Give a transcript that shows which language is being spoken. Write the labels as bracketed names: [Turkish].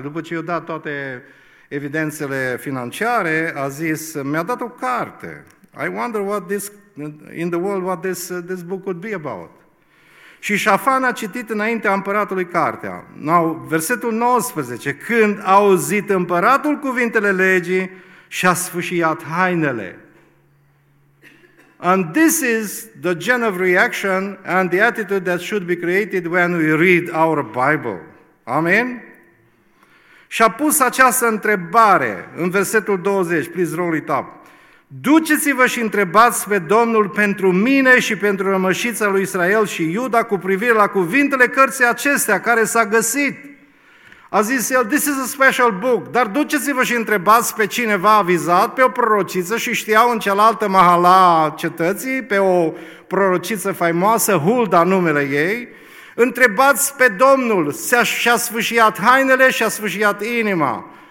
[Romanian] După ce i-a dat toate evidențele financiare, a zis, mi-a dat o carte. [English] I wonder what this, in the world, what this book would be about. [Romanian] Și Șafan a citit înaintea împăratului cartea. Now, versetul 19, când a auzit împăratul cuvintele legii și a sfâșiat hainele. [English] And this is the gen of reaction and the attitude that should be created when we read our Bible. Amen? [Romanian] Și a pus această întrebare în versetul 20, [English] please roll it up. [Romanian] Duceți-vă și întrebați pe Domnul pentru mine și pentru rămășița lui Israel și Iuda cu privire la cuvintele cărții acestea care s-a găsit. A zis el, [English] this is a special book, [Romanian] dar duceți-vă și întrebați pe cineva avizat, pe o prorociță și știau în cealaltă mahala cetății, pe o prorociță faimoasă, Hulda numele ei, întrebați pe Domnul, și-a sfâșiat hainele și-a sfâșiat inima.